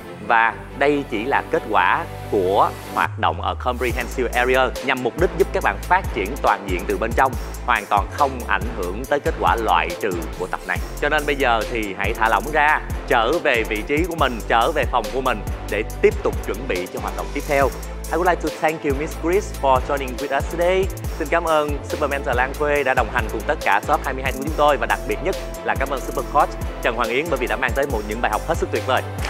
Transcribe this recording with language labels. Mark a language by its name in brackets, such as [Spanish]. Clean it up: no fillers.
[Vietnamese] Và đây chỉ là kết quả của hoạt động ở Comprehensive Area nhằm mục đích giúp các bạn phát triển toàn diện từ bên trong, hoàn toàn không ảnh hưởng tới kết quả loại trừ của tập này. Cho nên bây giờ thì hãy thả lỏng ra, trở về vị trí của mình, trở về phòng của mình để tiếp tục chuẩn bị cho hoạt động tiếp theo. [English] I would like to thank you Miss Chris for joining with us today. [Vietnamese] Xin cảm ơn Supermentor Lan Khuê đã đồng hành cùng tất cả top 22 của chúng tôi, và đặc biệt nhất là cảm ơn Super Coach Trần Hoàng Yến bởi vì đã mang tới những bài học hết sức tuyệt vời.